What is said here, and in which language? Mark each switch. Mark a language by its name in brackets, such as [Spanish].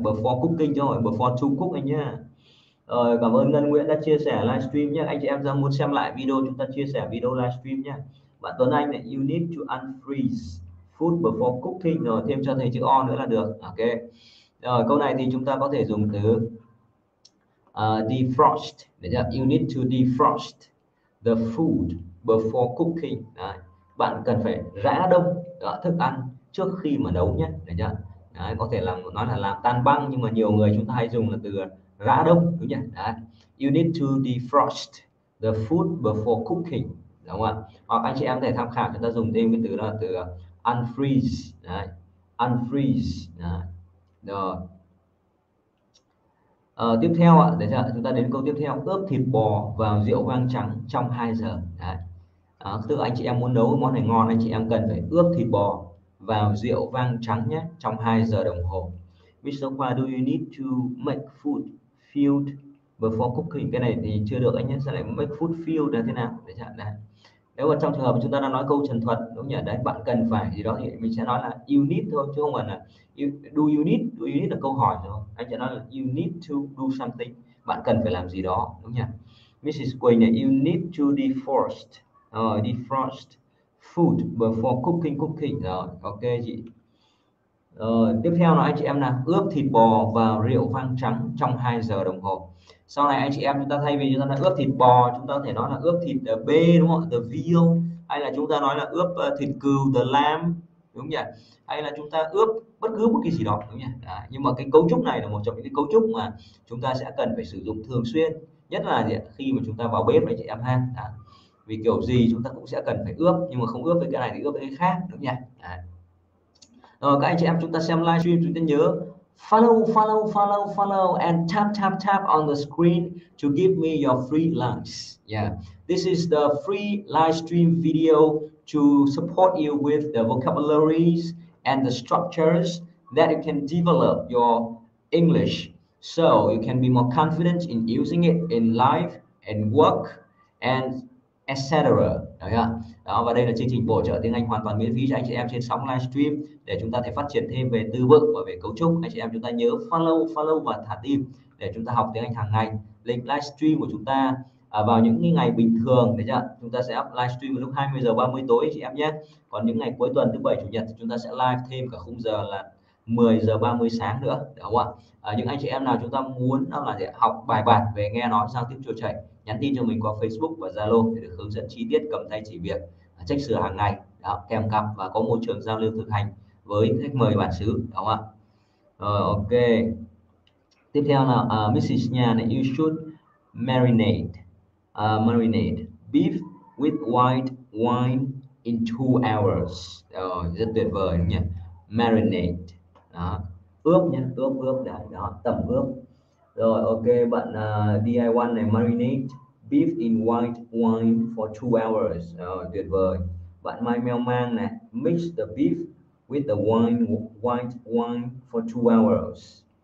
[English] Before cooking [Vietnamese] cho rồi, [English] before to cook [Vietnamese] anh nhá. Rồi, cảm ơn Ngân Nguyễn đã chia sẻ livestream nhé. Anh chị em đang muốn xem lại video, chúng ta chia sẻ video livestream nhé. Bạn Tuấn Anh này, [English] you need to unfreeze food before cooking. [Vietnamese] Rồi, thêm cho thầy chữ O nữa là được. Ok. Rồi, câu này thì chúng ta có thể dùng từ defrost. Để nhận, [English] you need to defrost the food before cooking. [Vietnamese] Đấy. Bạn cần phải rã đông đó, thức ăn trước khi mà nấu nhé. Để nhận. Đấy, có thể làm nói là làm tan băng, nhưng mà nhiều người chúng ta hay dùng là từ rã đông đúng nhỉ? Đấy. [English] You need to defrost the food before cooking, [Vietnamese] đúng không ạ? Hoặc anh chị em có thể tham khảo chúng ta dùng thêm cái từ đó là từ unfreeze, đấy. Unfreeze, đấy. Rồi. Tiếp theo ạ, để chúng ta đến câu tiếp theo, ướp thịt bò vào rượu vang trắng trong 2 giờ. Đấy. Tức anh chị em muốn nấu món này ngon, anh chị em cần phải ướp thịt bò vào rượu vang trắng nhé, trong 2 giờ đồng hồ. [English] Mr. Khoa, do you need to make food filled before cooking? [Vietnamese] Cái này thì chưa được anh nhé, sao lại make food filled là thế nào? Để chạm này. Nếu mà trong trường hợp chúng ta đang nói câu trần thuật, đúng nhỉ? Đấy, bạn cần phải gì đó thì mình sẽ nói là [English] you need [Vietnamese] thôi, chứ không phải là [English] do you need [Vietnamese] là câu hỏi rồi. Anh sẽ nói là [English] you need to do something, [Vietnamese] bạn cần phải làm gì đó, đúng nhỉ? [English] Mrs. Quỳnh này, you need to defrost food before cooking. [Vietnamese] Rồi, ok chị. Rồi, tiếp theo là anh chị em là ướp thịt bò vào rượu vang trắng trong 2 giờ đồng hồ. Sau này anh chị em chúng ta thay vì chúng ta là ướp thịt bò, chúng ta có thể nói là ướp thịt bê đúng không? [English] The veal, [Vietnamese] hay là chúng ta nói là ướp thịt cừu, [English] the lamb, [Vietnamese] đúng nhỉ? Hay là chúng ta ướp bất cứ một cái gì đó, đúng nhỉ? Đấy. Nhưng mà cái cấu trúc này là một trong những cái cấu trúc mà chúng ta sẽ cần phải sử dụng thường xuyên, nhất là gì? Khi mà chúng ta vào bếp đấy chị em ha. Đấy. Vì kiểu gì chúng ta cũng sẽ cần phải ướp, nhưng mà không ướp với cái này thì ướp với cái khác, đúng nhỉ? Đấy. Rồi các anh chị em chúng ta xem livestream, chúng ta nhớ [English] follow and tap tap tap on the screen to give me your free lunch. Yeah, this is the free livestream video to support you with the vocabularies and the structures that you can develop your English, so you can be more confident in using it in life and work and etc. [Vietnamese] Đấy ạ. Đó, và đây là chương trình bổ trợ tiếng Anh hoàn toàn miễn phí cho anh chị em trên sóng livestream, để chúng ta thể phát triển thêm về từ vựng và về cấu trúc. Anh chị em chúng ta nhớ follow và thả tim để chúng ta học tiếng Anh hàng ngày. Link livestream của chúng ta vào những ngày bình thường, đấy chưa? Chúng ta sẽ up livestream vào lúc 20:30 tối anh chị em nhé. Còn những ngày cuối tuần thứ bảy chủ nhật thì chúng ta sẽ live thêm cả khung giờ là 10:30 sáng nữa, đúng không ạ? Những anh chị em nào chúng ta muốn đó là học bài bản về nghe nói giao tiếp trôi chảy, nhắn tin cho mình qua Facebook và Zalo để được hướng dẫn chi tiết, cầm tay chỉ việc, check sửa hàng ngày, đó, kèm cặp và có môi trường giao lưu thực hành với khách mời bản xứ, đúng không ạ? Rồi, ok. Tiếp theo là Mrs. [English] Nha này, you should marinate beef with white wine in 2 hours. [Vietnamese] Rồi, rất tuyệt vời nhỉ? Marinate. Đó. Ướp nhé, ướp ướp đấy, đó, tẩm ướp. Rồi, [English] ok, bạn DIY này, marinate beef in white wine for 2 hours. [Vietnamese] Rồi, tuyệt vời. [English] Bạn Mai Mèo Mang này, mix the beef with the white wine for 2 hours.